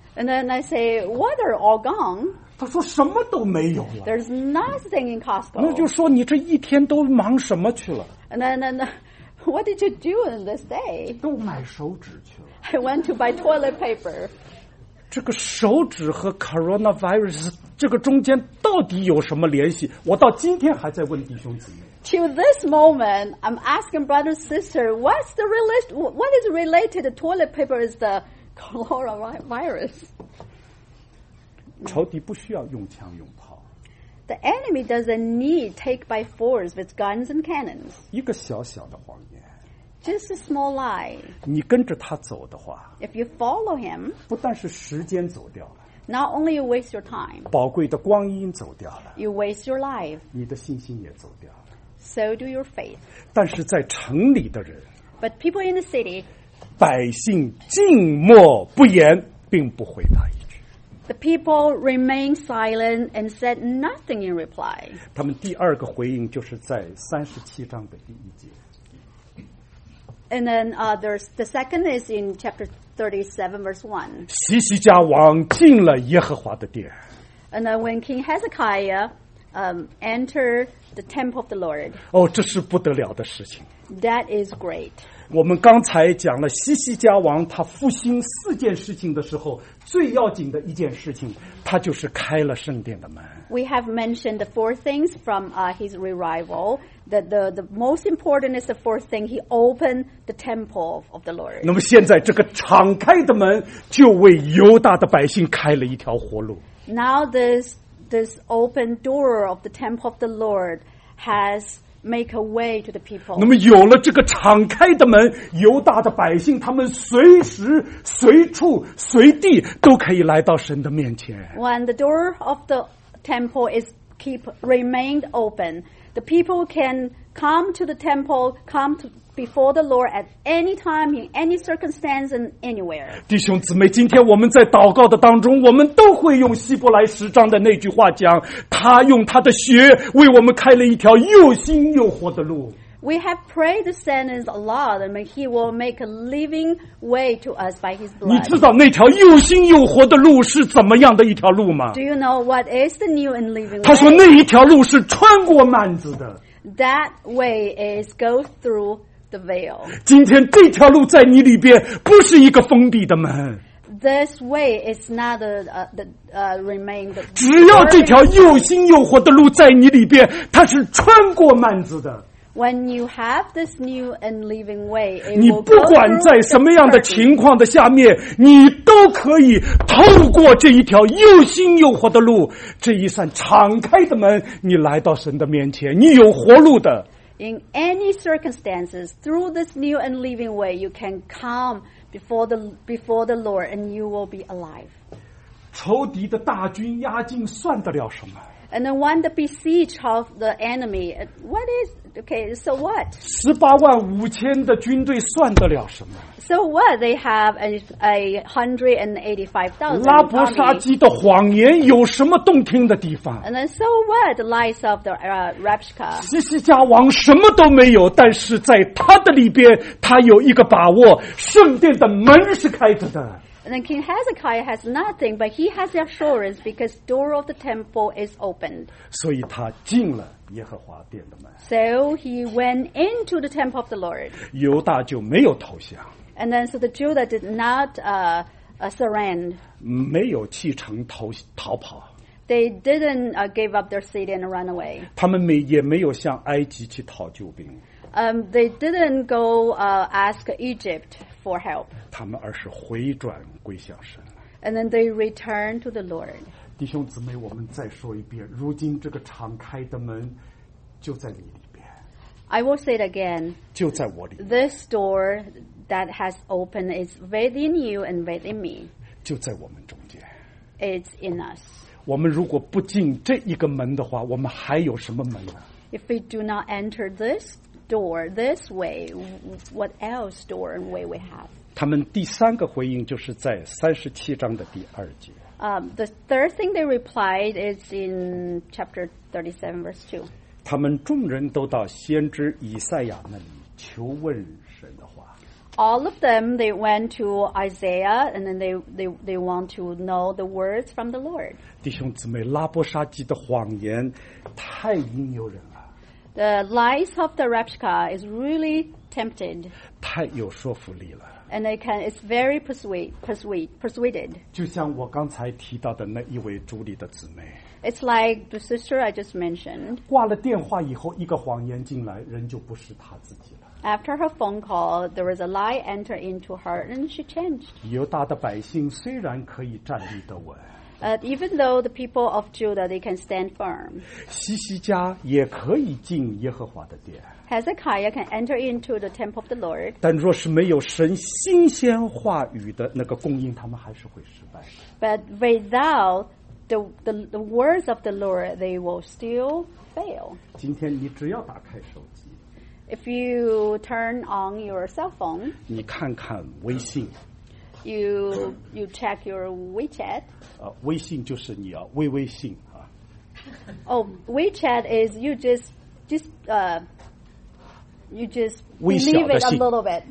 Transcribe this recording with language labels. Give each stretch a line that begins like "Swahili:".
English: And then I say, what are all gone?
Chinese: 她说什么都没有了。
English: There's nothing in Costco.
Chinese: 那就说你这一天都忙什么去了？
English: And then What did you do on this day?
Chinese: 都买手指去了。
English: I went to buy toilet paper.
Chinese: 这个手指和 coronavirus 这个中间到底有什么联系？我到今天还在问弟兄姊妹。
English: To this moment, I'm asking brother sister, what's the what is related to toilet paper is the coronavirus?
Chinese: 仇敌不需要用枪用炮。
English: The enemy doesn't need take by force with guns and cannons.
Chinese: 一个小小的谎言。
English: Just a small lie.
Chinese: 你跟着他走的话。
English: If you follow him.
Chinese: 不但是时间走掉了。
English: Not only you waste your time.
Chinese: 宝贵的光阴走掉了。
English: You waste your life.
Chinese: 你的信心也走掉了。
English: So do your faith.
Chinese: 但是在城里的人。
English: But people in the city.
Chinese: 百姓静默不言，并不回答一句。
English: The people remained silent and said nothing in reply.
Chinese: 他们第二个回应就是在37章的第一节。
English: And then the second is in chapter 37, verse 1.
Chinese: 西西家王进了耶和华的殿。
English: And then when King Hezekiah entered the temple of the Lord.
Chinese: 哦，这是不得了的事情。
English: That is great.
Chinese: 我们刚才讲了西西家王他复兴四件事情的时候，最要紧的一件事情，他就是开了圣殿的门。
English: We have mentioned the four things from his revival. The most important is the fourth thing. He opened the temple of the Lord.
Chinese: 那么现在这个敞开的门就为犹大的百姓开了一条活路。
English: Now this open door of the temple of the Lord has made a way to the people.
Chinese: 那么有了这个敞开的门，犹大的百姓他们随时随处随地都可以来到神的面前。
English: When the door of the temple is remained open, the people can come to the temple, come to before the Lord at any time, in any circumstance, and anywhere.
Chinese: 弟兄姊妹，今天我们在祷告的当中，我们都会用希伯来十章的那句话讲，他用他的血为我们开了一条又新又活的路。
English: We have prayed the sentence a lot, and he will make a living way to us by his blood.
Chinese: 你知道那条又新又活的路是怎么样的一条路吗？
English: Do you know what is the new and living way?
Chinese: 他说那一条路是穿过幔子的。
English: That way is go through the veil.
Chinese: 今天这条路在你里边不是一个封闭的门。
English: This way is not remain the.
Chinese: 只要这条又新又活的路在你里边，它是穿过幔子的。
English: When you have this new and living way, it will go through the
Chinese: 你不管在什么样的情况的下面，你都可以透过这一条又新又活的路，这一扇敞开的门，你来到神的面前，你有活路的。
English: In any circumstances, through this new and living way, you can come before the Lord, and you will be alive.
Chinese: 仇敌的大军压境算得了什么？
English: And then when the besiege of the enemy, what is, okay, so what?
Chinese: 十八万五千的军队算得了什么？
English: So what? They have a 185,000.
Chinese: 拉伯沙基的谎言有什么动听的地方？
English: And then so what? The lies of the Rabshka.
Chinese: 西西家王什么都没有，但是在他的里边，他有一个把握，圣殿的门是开着的。
English: And then King Hezekiah has nothing, but he has the assurance because the door of the temple is opened.
Chinese: 所以他进了耶和华殿的门。
English: So he went into the temple of the Lord.
Chinese: 犹大就没有投降。
English: And then so the Judah did not surrender.
Chinese: 没有弃城逃跑。
English: They didn't give up their city and run away.
Chinese: 他们也没有向埃及去讨救兵。
English: They didn't go ask Egypt for help.
Chinese: 他们而是回转归向神。
English: And then they return to the Lord.
Chinese: 弟兄姊妹，我们再说一遍，如今这个敞开的门就在你里边。
English: I will say it again.
Chinese: 就在我里边。
English: This door that has opened is within you and within me.
Chinese: 就在我们中间。
English: It's in us.
Chinese: 我们如果不进这一个门的话，我们还有什么门呢？
English: If we do not enter this door this way, what else door and way we have?
Chinese: 他们第三个回应就是在三十七章的第二节。
English: The third thing they replied is in chapter 37, verse 2.
Chinese: 他们众人都到先知以赛亚那里求问神的话。
English: All of them they went to Isaiah and then they want to know the words from the Lord.
Chinese: 弟兄姊妹，拉伯沙基的谎言太引诱人了。
English: The lies of the Rabshka is really tempted.
Chinese: 太有说服力了。
English: And it's very persuaded.
Chinese: 就像我刚才提到的那一位主里的姊妹。
English: It's like the sister I just mentioned.
Chinese: 挂了电话以后，一个谎言进来，人就不是她自己了。
English: After her phone call, there was a lie entered into her, and she changed.
Chinese: 犹大的百姓虽然可以站立得稳。
English: Even though the people of Judah, they can stand firm.
Chinese: 西西家也可以进耶和华的殿。
English: Hezekiah can enter into the temple of the Lord.
Chinese: 但若是没有神新鲜话语的那个供应，他们还是会失败。
English: But without the words of the Lord, they will still fail.
Chinese: 今天你只要打开手机。
English: If you turn on your cell phone.
Chinese: 你看看微信。
English: You check your WeChat.
Chinese: 微信就是你啊，微微信啊。
English: Oh, WeChat is you just believe it a little bit.